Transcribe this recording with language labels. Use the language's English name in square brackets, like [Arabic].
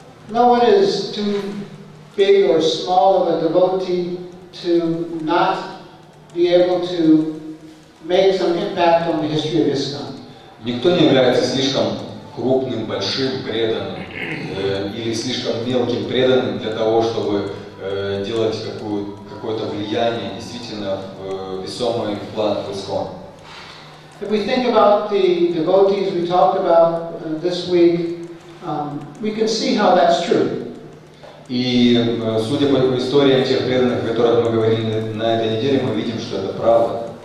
[English] No one is too big or small of a devotee to not be able to make some impact on the history of Islam. [Russian] Никто не является слишком крупным, большим преданным или слишком мелким преданным для того, чтобы делать какое-то влияние действительно весомый вклад в ислам. [English] If we think about the devotees we talked about this week, we can see how that's true. [Russian] И судя по истории тех преданных, о которых мы говорили на этой неделе, мы видим, что это правда.